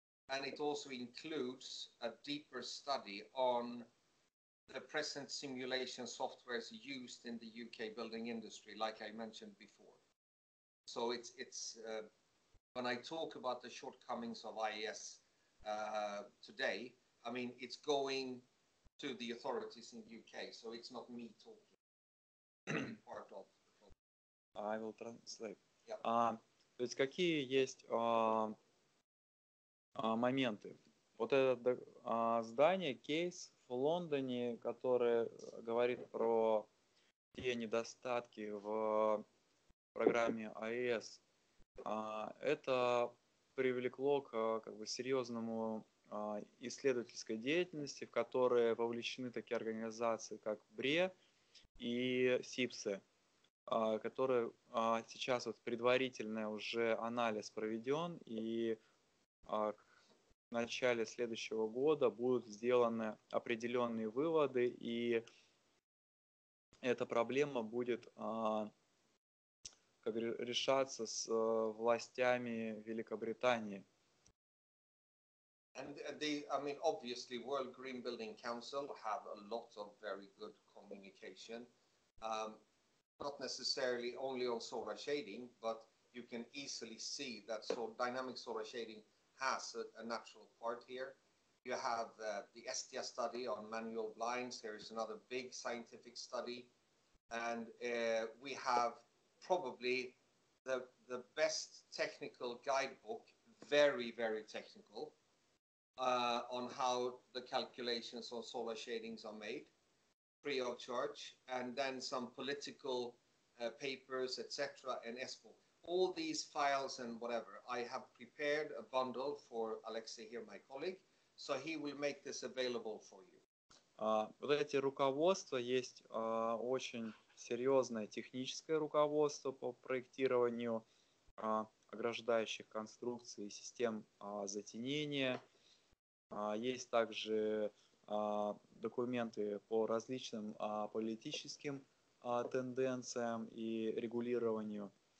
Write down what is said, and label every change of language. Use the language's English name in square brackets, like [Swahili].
[English] And it also includes a deeper study on the present simulation softwares used in the UK building industry, like I mentioned before. So it's when I talk about the shortcomings of IES today, I mean, it's going to the authorities in UK, so it's not me talking. Part of the problem. I will translate. Yeah. [Russian] То есть какие есть моменты? Вот это здание, кейс в Лондоне, которое говорит про те недостатки в программе АЭС, это привлекло к как бы серьезному исследовательской деятельности, в которой вовлечены такие организации, как БРЕ и СИПСЕ, которые сейчас вот предварительный уже анализ проведен, и к начале следующего года будут сделаны определенные выводы, и эта проблема будет как решаться с властями Великобритании. [English] And the, I mean, obviously, World Green Building Council have a lot of very good communication. Not necessarily only on solar shading, but you can easily see that so dynamic solar shading has a natural part here. You have the Estia study on manual blinds. There is another big scientific study. And we have probably the best technical guidebook, very, very technical, on how the calculations on solar shadings are made, free of charge, and then some political papers, etc., and ESPO. All these files and whatever, I have prepared a bundle for Alexei here, my colleague, so he will make this available for you. [Russian] Вот эти руководства, есть очень серьезное техническое руководство по проектированию ограждающих конструкций и систем затенения. Есть также документы по различным политическим тенденциям и регулированию.